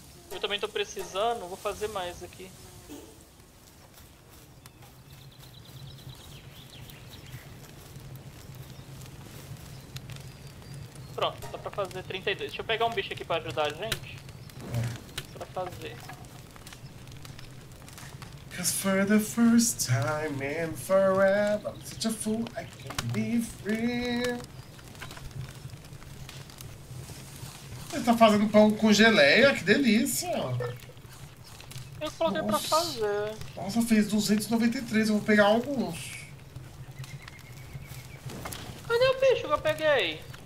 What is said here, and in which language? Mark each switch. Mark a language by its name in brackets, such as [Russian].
[Portuguese] Eu também tô precisando, vou fazer mais aqui. Pronto, dá pra fazer 32. Deixa eu pegar um bicho aqui pra ajudar a gente. Pra fazer. [English] Cause for the first time in forever, I'm such a fool, I can't be free. [Portuguese] Você tá fazendo pão com geleia? Que delícia! Eu coloquei pra Nossa! fazer. Nossa, fez 293, eu vou pegar alguns. Cadê o bicho que eu peguei?